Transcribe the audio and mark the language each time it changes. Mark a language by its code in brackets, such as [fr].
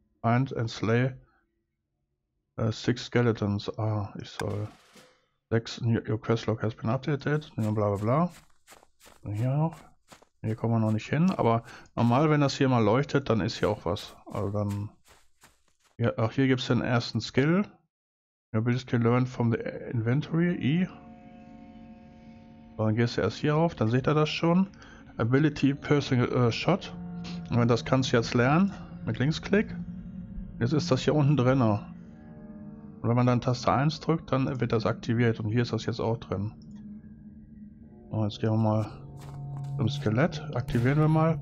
[en] Find and slay 6 Skeletons. [de] Ah, ich soll. 6, [en] your quest log has been updated. [de] Und bla bla bla. Und hier noch. Hier kommen wir noch nicht hin. Aber normal, wenn das hier mal leuchtet, dann ist hier auch was. Also dann. Ja, auch hier gibt es den ersten Skill. [en] Your abilities can learn from the inventory, E. [de] So, dann gehst du erst hier auf, dann seht ihr das schon. Ability Personal Shot. Und wenn das kannst du jetzt lernen, mit Linksklick. Jetzt ist das hier unten drin. Und wenn man dann Taste 1 drückt, dann wird das aktiviert. Und hier ist das jetzt auch drin. So, jetzt gehen wir mal zum Skelett. Aktivieren wir mal.